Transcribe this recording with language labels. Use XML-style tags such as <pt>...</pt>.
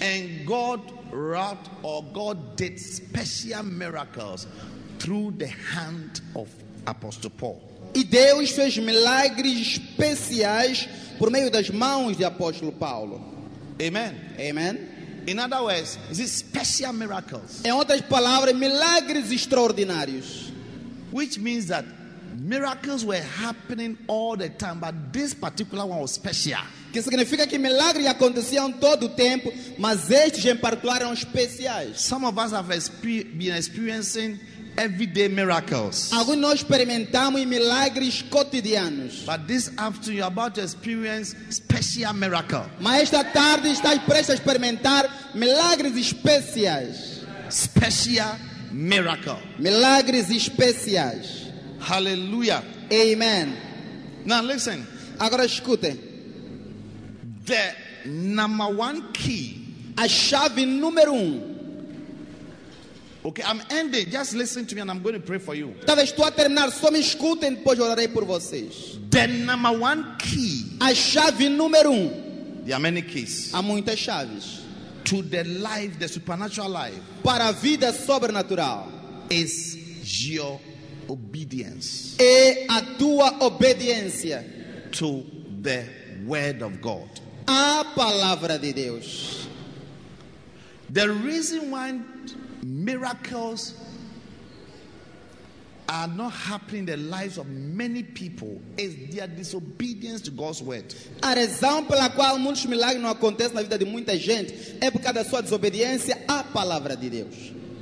<en>and God wrought or God did special miracles through the hand of Apostle Paul.</en> <pt>E Deus fez milagres especiais por meio das mãos de Apóstolo Paulo.</pt> <en>Amen.</en> <pt>Amen.</pt> <en>In other words, is it special miracles?</en> <pt>Em outras palavras, milagres extraordinários.</pt> <en>Which means that Miracles were happening all the time, but this particular one was special.</en> <pt>Que significa que milagres aconteciam todo o tempo, mas estes em particular eram especiais.</pt> <en>Some of us have been experiencing everyday miracles.</en> <pt>Alguns nós experimentamos milagres cotidianos.</pt> <en>But this afternoon you're about to experience special miracle.</en> <pt>Mas esta tarde estás prestes a experimentar milagres especiais.</pt> <en>Special miracle.</en> <pt>Milagres especiais.</pt> <en>Hallelujah.</en> <pt>Amen.</pt> <en>Now listen.</en> <pt>Agora escute.</pt> <en>The number one key.</en> <pt>A chave número um.</pt> <en>Okay, I'm ending. Just listen to me and I'm going to pray for you.</en> <pt>Talvez estou a terminar, só me escutem, depois orarei por vocês.</pt> <en>The number one key.</en> <pt>A chave número um.</pt> <en>There are many keys.</en> <pt>Há muitas chaves.</pt> <en>To the life, the supernatural life.</en> <pt>Para a vida sobrenatural.</pt> <en>Is your obedience.</en> <pt>É a tua obediência.</pt> <en>To the word of God.</en> <pt>A palavra de Deus.</pt> <en>The reason why miracles are not happening in the lives of many people is their disobedience to God's word.</en> <pt>A razão pela qual muitos milagres não acontecem na vida de muita gente é por causa da sua desobediência à palavra de Deus.</pt>